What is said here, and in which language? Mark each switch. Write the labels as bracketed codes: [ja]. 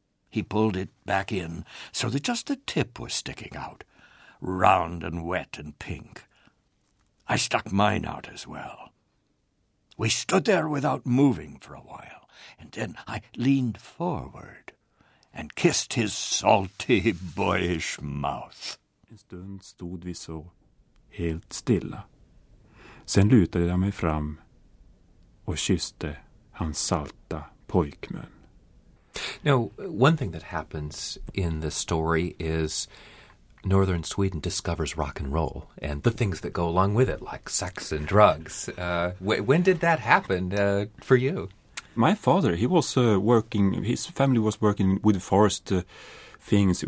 [en] He pulled it back in so that just the tip was sticking out, round and wet and pink. I stuck mine out as well. We stood there without moving for a while, and then I leaned forward and kissed his salty, boyish mouth. [sv] En stund stod vi så helt stilla. Sen lutade jag mig fram och kysste hans salta pojkmun. [en] Now, one thing that happens in the story is northern Sweden discovers rock and roll and the things that go along with it, like sex and drugs. When did that happen for you? My father, he was working, his family was working with forest things.